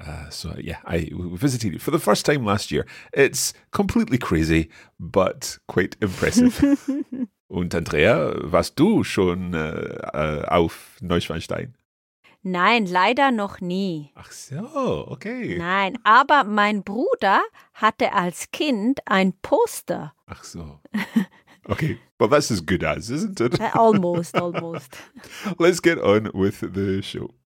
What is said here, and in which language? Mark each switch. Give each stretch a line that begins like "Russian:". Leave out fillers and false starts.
English: So yeah, I visited it for the first time last year. It's completely crazy, but quite impressive.
German: Und Andrea, warst du schon auf Neuschwanstein? Nein, leider noch nie. Ach so, okay. Nein, aber mein Bruder hatte als Kind ein Poster. Ach so.
English: Okay, well, that's as good as, isn't it? Almost. Let's get on with the show.